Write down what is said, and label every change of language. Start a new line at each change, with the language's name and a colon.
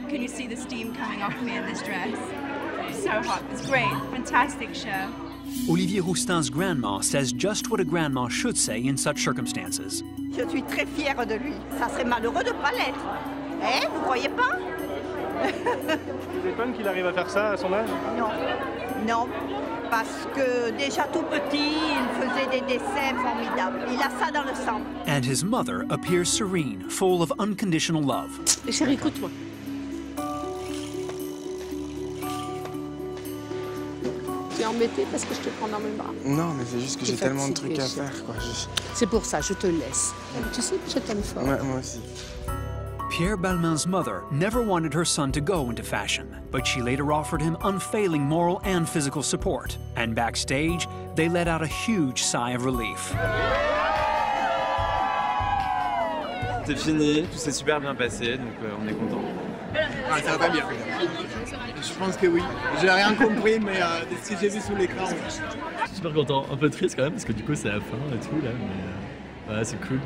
English: Can you see the steam coming off me in this dress? So hot, it's great, fantastic show. Olivier Roustin's grandma says just what a grandma should say in such circumstances.
French: Je suis très fière de lui. Ça serait malheureux de pas l'être. Eh, vous croyez pas? Vous étonnez qu'il arrive à faire ça à son âge? Non, non. Parce que déjà tout petit, il faisait des dessins formidables. Il a ça dans le sang. And his mother appears serene, full of unconditional love. Chérie, écoute-moi. Tu es embêtée parce que je te prends dans mes bras. Non, mais c'est juste que j'ai tellement de trucs à faire, quoi. C'est pour ça, je te laisse. Tu sais que je t'aime fort. Ouais, moi aussi.
English: Pierre Balmain's mother never wanted her son to go into fashion, but she later offered him unfailing moral and physical support. And backstage, they let out a huge sigh of relief.
French: C'est fini, tout s'est super bien passé, donc on est content. Ah, ça va pas bien. Je Je pense que oui. J'ai rien compris, mais c'est ce que j'ai vu sous l'écran. Ouais. Je suis super content. Un peu triste quand même, parce que du coup, c'est la fin et tout, là. Mais voilà, c'est cool.